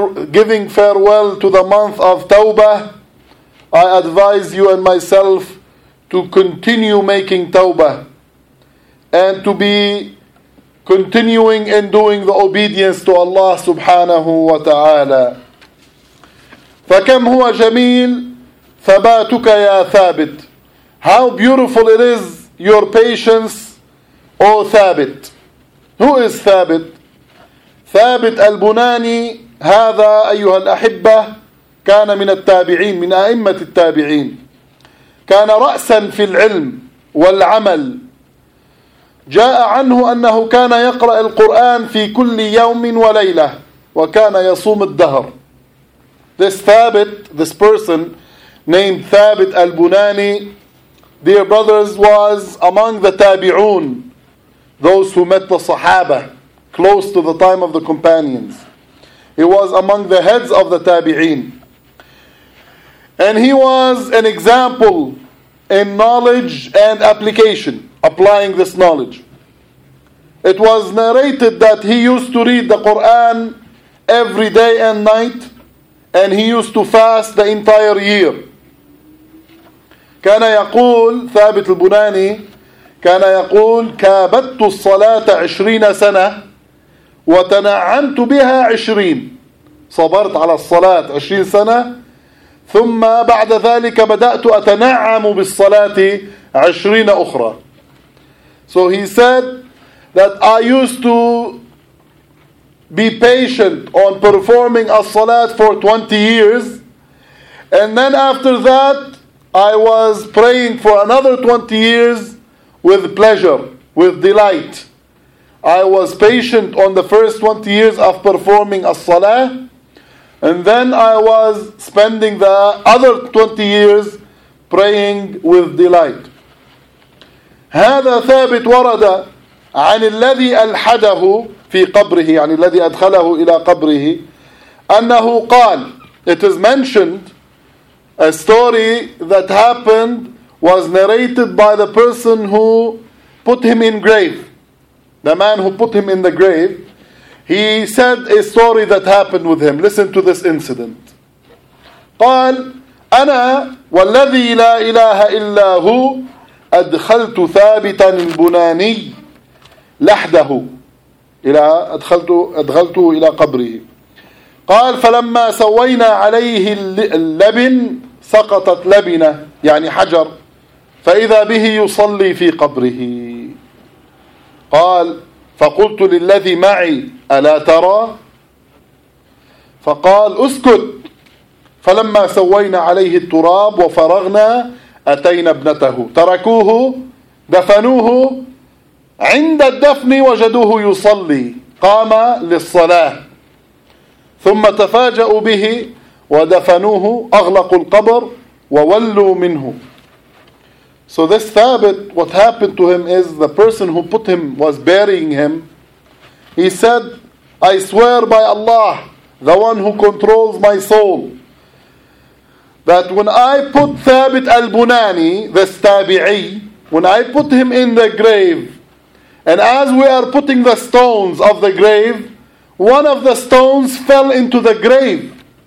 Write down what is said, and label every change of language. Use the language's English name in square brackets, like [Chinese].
[English] giving farewell to the month of Tawbah, I advise you and myself to continue making Tawbah and to be continuing in doing the obedience to Allah subhanahu wa ta'ala. [Arabic] فَكَمْ هُوَ جَمِيلٌ ثَبَاتُكَ يَا ثَابِتٌ. [English] How beautiful it is your patience, O Thabit. Who is Thabit? [Arabic] Thabit al-Bunani, هذا أيها الأحبة كان من التابعين، من أئمة التابعين، كان رأسا في العلم والعمل. جاء عنه أنه كان يقرأ القرآن في كل يوم وليلة وكان يصوم الدهر. [English] This Thabit, this person named Thabit al-Bunani, dear brothers, was among the tabi'un, those who met the sahaba close to the time of the companions. He was among the heads of the tabi'in. And he was an example in knowledge and application, applying this knowledge. It was narrated that he used to read the Quran every day and night, and he used to fast the entire year. [Arabic] كان يقول ثابت البناني، كان يقول كابدت الصلاة 20 سنة وتنعمت بها 20، صبرت على الصلاة 20 سنة ثم بعد ذلك بدأت أتنعم بالصلاة 20 أخرى. [English] So he said that I used to be patient on performing a salat for 20 years. And then after that, I was praying for another 20 years with pleasure, with delight. I was patient on the first 20 years of performing a salah, and then I was spending the other 20 years praying with delight. [Arabic] هذا ثابت ورد عن الذي ألحده في قبره يعني الذي أدخله إلى قبره أنه قال. [English] It is mentioned, a story that happened was narrated by the person who put him in grave. The man who put him in the grave, he said a story that happened with him. Listen to this incident. [Arabic] قال أنا والذي لا إله إلا هو أدخلت ثابتا البناني لحده إلى أدخلته إلى قبره. قال فلما سوينا عليه اللبن سقطت لبنة يعني حجر فإذا به يصلي في قبره. قال فقلت للذي معي ألا ترى؟ فقال اسكت. فلما سوينا عليه التراب وفرغنا أتينا ابنته تركوه دفنوه عند الدفن وجدوه يصلي قام للصلاة ثم تفاجأوا به ودفنوه أغلقوا القبر وولوا منه. [English] So this Thabit, what happened to him is the person who put him, was burying him. He said, I swear by Allah, the one who controls my soul, that when I put Thabit al-Bunani, the Tabi'i, when I put him in the grave, and as we are putting the stones of the grave, one of the stones fell into the grave.